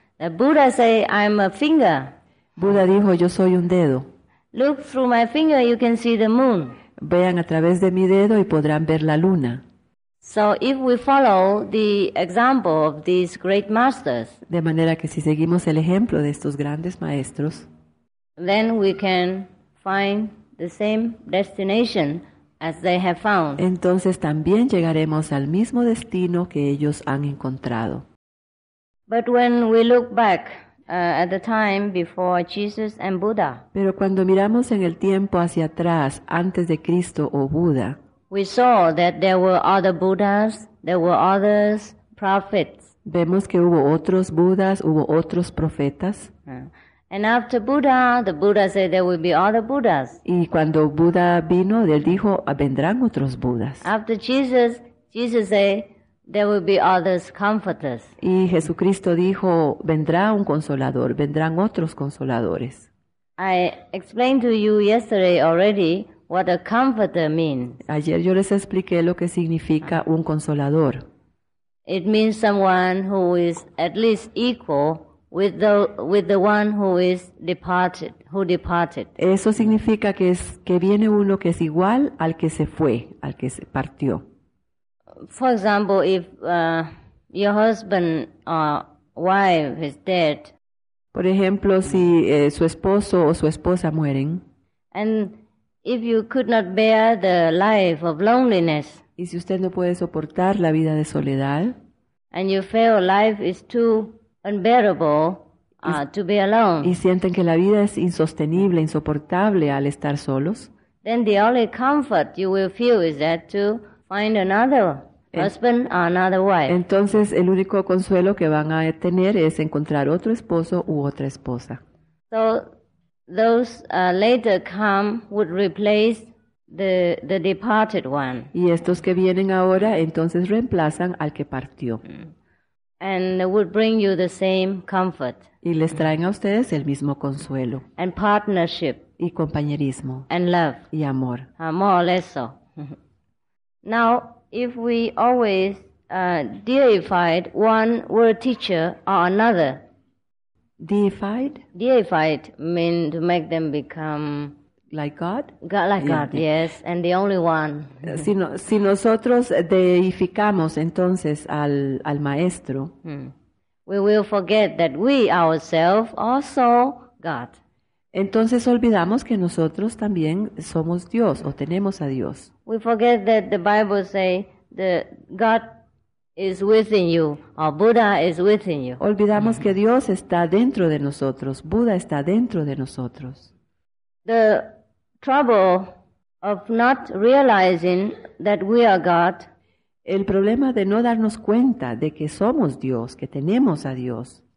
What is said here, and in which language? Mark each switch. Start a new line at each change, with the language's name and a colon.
English: The Buddha say, I'm a finger.
Spanish: Buda dijo, yo soy un dedo.
English: Look through my finger, you can see the moon.
Spanish: Vean a través de mi dedo y podrán ver la luna.
English: So if we follow the example of these great masters.
Spanish: De manera que si seguimos el ejemplo de estos grandes maestros.
English: Then we can find the same destination as they have found.
Spanish: Entonces también llegaremos al mismo destino que ellos han encontrado.
English: But when we look back at the time before Jesus and Buddha.
Spanish: Pero cuando miramos en el tiempo hacia atrás, antes de Cristo o Buda.
English: We saw that there were other Buddhas, there were others prophets.
Spanish: Vemos que hubo otros Budas, hubo otros profetas.
English: And after Buddha, the Buddha said there will be other Buddhas.
Spanish: Y cuando Buda vino, él dijo, vendrán otros Budas.
English: After Jesus, Jesus said there will be others comforters.
Spanish: Y Jesucristo dijo, vendrá un consolador, vendrán otros consoladores.
English: I explained to you yesterday already what a comforter means.
Spanish: Ayer yo les expliqué lo que significa un consolador.
English: It means someone who is at least equal with the one who is departed, who departed.
Spanish: Eso significa que es que viene uno que es igual al que se fue, al que se partió.
English: For example, if your husband or wife is dead.
Spanish: Por ejemplo, si su esposo o su esposa mueren.
English: And if you could not bear the life of loneliness.
Spanish: Y si usted no puede soportar la vida de soledad.
English: And you feel life is too unbearable to be alone.
Spanish: Y sienten que la vida es insostenible, insoportable al estar solos.
English: Then the only comfort you will feel is that to find another husband or another wife.
Spanish: Entonces el único consuelo que van a tener es encontrar otro esposo u otra esposa.
English: So those later come would replace the departed one.
Spanish: Y estos que vienen ahora entonces reemplazan al que partió.
English: And they would bring you the same comfort.
Spanish: Y les traen a ustedes el mismo consuelo.
English: And partnership.
Spanish: Y compañerismo.
English: And love.
Spanish: Y amor.
English: More or less so. Now, if we always deified one world teacher or another. Deified? Deified means to make them become like God? God, like God, yes, and the only one.
Spanish: Si nosotros deificamos entonces al maestro,
English: we will forget that we ourselves also God.
Spanish: Entonces olvidamos que nosotros también somos Dios o tenemos a Dios.
English: We forget that the Bible say that God is within you or Buddha is within you.
Spanish: Olvidamos que Dios está dentro de nosotros, Buda está dentro de nosotros.
English: The trouble of not realizing that we are God.
Spanish: El problema de no darnos cuenta de que somos Dios, que tenemos a Dios.